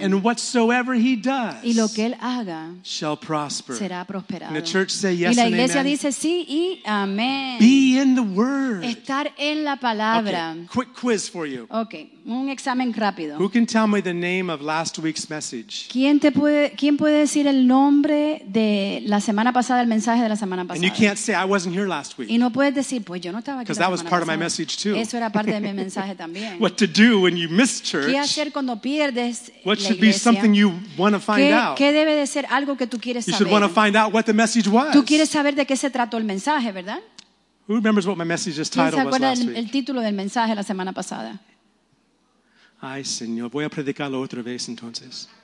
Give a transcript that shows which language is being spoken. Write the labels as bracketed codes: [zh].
[en] And whatsoever he does [es] y lo que él haga [en] shall prosper. [es] Será prosperado. [en] And the church say yes [es] y la iglesia [en] and amen. [es] Dice sí y amén. [en] Be in the word. [es] Estar en la palabra. [en] Okay, quick quiz for you. [es] Okay, un examen rápido. [en] Who can tell me the name of last week's message? [es] ¿Quién puede decir el nombre de la semana pasada, el mensaje de la semana pasada? [en] And you can't say I wasn't here last week. [es] Y no puedes decir, pues yo no estaba aquí. [en] Because that was part [es] pasada. [en] Of my message too. [es] Eso era parte de mi mensaje también. [en] What to do when you miss church? [es] ¿Qué hacer cuando pierdes [en] what should be something you want to find out? [es] ¿Qué debe de ser algo que tú quieres [en] you [es] saber? [en] Should want to find out what the message was. [es] Tú quieres saber de qué se trató el mensaje, ¿verdad? [en] Who remembers what my message's title was last week? [es] El título del mensaje la semana pasada. Ay, Señor, voy a predicarlo otra vez entonces.